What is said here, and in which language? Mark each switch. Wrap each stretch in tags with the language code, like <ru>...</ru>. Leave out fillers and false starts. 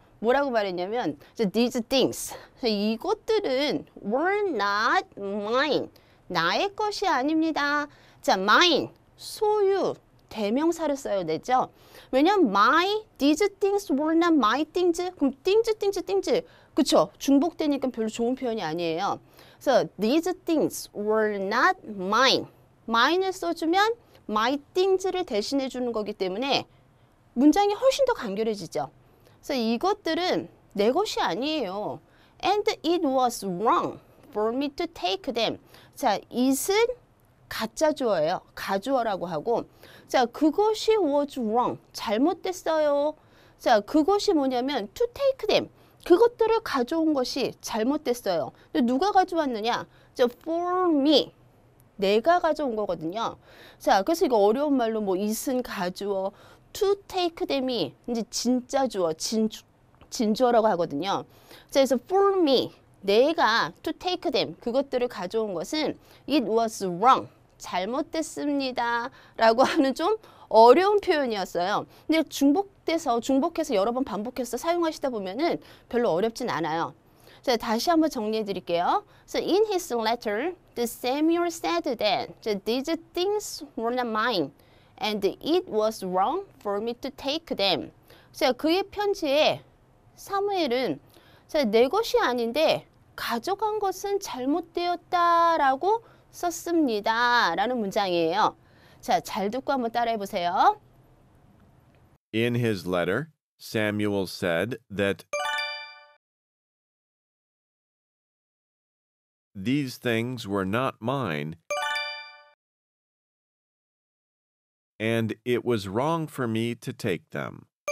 <ko>뭐라고 말했냐면,</ko> <en>so these things,</en> <ko>so 이것들은</ko> <en>were not mine,</en> <ko>나의 것이 아닙니다. 자, mine, 소유. 대명사를 써야 되죠.</ko> <en>왜냐면 my, these things were not my things.</en> <ko>그럼 things, things, things. 그쵸? 중복되니까 별로 좋은 표현이 아니에요.</ko> <en>So these things were not mine.</en> <ko>mine을 써주면 my things를 대신해 주는 거기 때문에 문장이 훨씬 더 간결해지죠. So 이것들은 내 것이 아니에요.</ko> <en>And it was wrong for me to take them.</en> <ko>자, is은 가짜 주어예요. 가주어라고 하고. 자, 그것이</ko> <en>was wrong.</en> <ko>잘못됐어요. 자, 그것이 뭐냐면</ko> <en>to take them.</en> <ko>그것들을 가져온 것이 잘못됐어요. 누가 가져왔느냐? 자,</ko> <en>for me.</en> <ko>내가 가져온 거거든요. 자, 그래서 이거 어려운 말로 뭐 is은 가주어,</ko> <en>to take them</en> <ko>이 이제 진짜 주어, 진주어라고 하거든요. 자, 그래서</ko> <en>for me.</en> <ko>내가</ko> <en>to take them,</en> <ko>그것들을 가져온 것은</ko> <en>it was wrong,</en> <ko>잘못됐습니다 라고 하는 좀 어려운 표현이었어요. 근데 중복해서 여러 번 반복해서 사용하시다 보면은 별로 어렵진 않아요. 자, 다시 한번 정리해 드릴게요.</ko> <en>So in his letter, the Samuel said that these things were not mine and it was wrong for me to take them.</en> <ko>자, 그의 편지에 사무엘은 자, 내 것이 아닌데 가져간 것은 잘못되었다 라고 썼습니다 라는 문장이에요. 자, 잘 듣고 한번 따라해 보세요.</ko> <en>In his letter, Samuel said that these things were not mine and it was wrong for me to take them.</en>